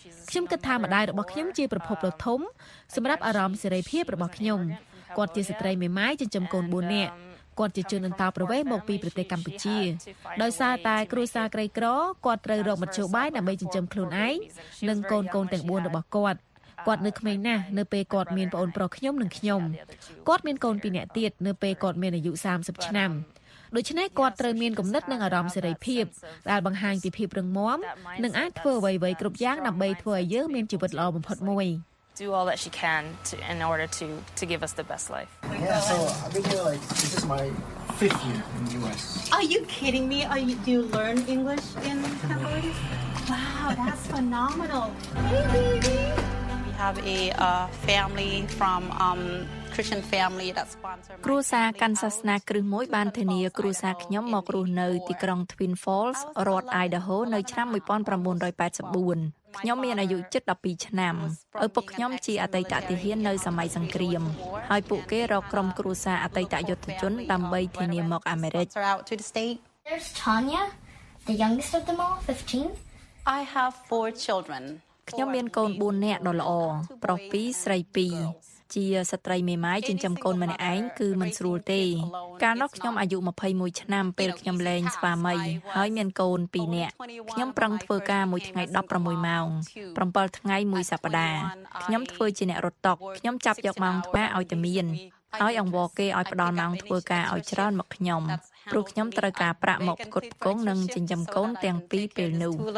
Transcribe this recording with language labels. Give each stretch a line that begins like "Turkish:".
Khmer: ខ្ញុំគិតថាម្ដាយរបស់ខ្ញុំជាប្រភពដ៏ធំសម្រាប់អារម្មណ៍សេរីភាពរបស់ខ្ញុំគាត់ជាស្ត្រីមេម៉ាយចិញ្ចឹមកូន4នាក់គាត់ជាជនអន្តោប្រវេសន៍មកពីប្រទេសកម្ពុជាដោយសារតែគ្រួសារក្រីក្រគាត់ត្រូវរកមធ្យោបាយដើម្បីចិញ្ចឹមខ្លួនឯងនិងកូនកូនទាំង4របស់គាត់គាត់នៅក្មេងណាស់នៅពេលគាត់មានប្អូនប្រុសខ្ញុំនិងខ្ញុំ គាត់មានកូន2នាក់ទៀតនៅពេលគាត់មានអាយុ30ឆ្នាំដូច្នេះគាត់ត្រូវមានគំនិតនិងអារម្មណ៍សេរីភាពដែលបង្ហាញពីភាពរឹងមាំនិងអាចធ្វើអ្វីៗគ្រប់យ៉ាងដើម្បីធ្វើឲ្យយើងមានជីវិតល្អបំផុតមួយ
English: do all that she can to, in order to give us the best life. Yeah, so I've been here like this is my fifth year in the US. Are you kidding me? Do you learn English in Cambodia? Wow, that's phenomenal. Hey baby. We have a family from Christian family that sponsored
Khmer: គ្រួសារកាន់សាសនាគ្រឹះមួយបានធានាគ្រួសារខ្ញុំមករស់នៅទីក្រុង Twin Falls, រដ្ឋ Idaho នៅឆ្នាំ1984ខ្ញុំមានអាយុជិត12ឆ្នាំឪពុកខ្ញុំជាអតីតទាហាននៅសម័យសង្គ្រាមហើយពួកគេរកក្រុមគ្រួសារអតីតយុទ្ធជនដើម្បីធានាមកអាមេរិក
English: There's Tanya, the youngest of them all, 15. I have 4 children.
Khmer: ខ្ញុំមានកូន4នាក់ដ៏ល្អប្រុស2ស្រី2ជាស្ត្រីមេម៉ាយចិញ្ចឹមកូនម្នាក់ឯងគឺមិនស្រួលទេកាលនោះខ្ញុំអាយុ21ឆ្នាំពេលខ្ញុំលែងស្វាមីហើយមានកូន2នាក់ខ្ញុំប្រឹងធ្វើការមួយថ្ងៃ16ម៉ោង7ថ្ងៃមួយសប្តាហ៍ខ្ញុំធ្វើជាអ្នករត់តុកខ្ញុំចាប់យកម៉ោងធ្វើឲ្យតែមានហើយអង្វរគេឲ្យផ្ដល់ម៉ោងធ្វើការឲ្យច្រើនមកខ្ញុំព្រោះខ្ញុំត្រូវការប្រាក់មកផ្គត់ផ្គង់និងចិញ្ចឹមកូនទាំងពីរពេលនោះ